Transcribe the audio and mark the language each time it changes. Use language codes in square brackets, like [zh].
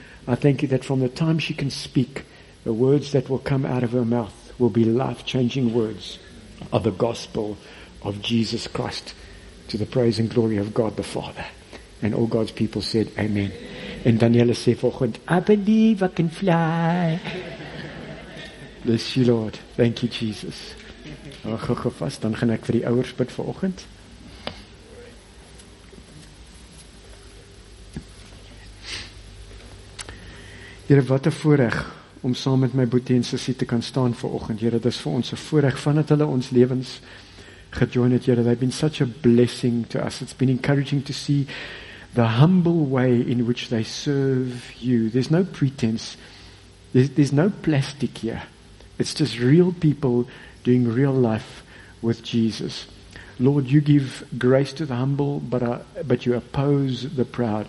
[en] I thank you that from the time she can speak, the words that will come out of her mouth will be life-changing words of the gospel of Jesus Christ to the praise and glory of God the Father. And all God's people said, Amen. And Daniela said, volgend, I believe I can fly. Bless you, Lord. Thank you, Jesus. [af] Dan gaan ek vir die ouers bid volgend. Here, wat 'n voorreg om saam met my boetie en sussie te kan staan vanoggend. Here, dit is vir ons 'n voorreg vandat hulle ons lewens gejoin het. [en] Here, they've been such a blessing to us. It's been encouraging to see the humble way in which they serve you. There's no pretense. There's no plastic here. It's just real people doing real life with Jesus. Lord, you give grace to the humble, but you oppose the proud.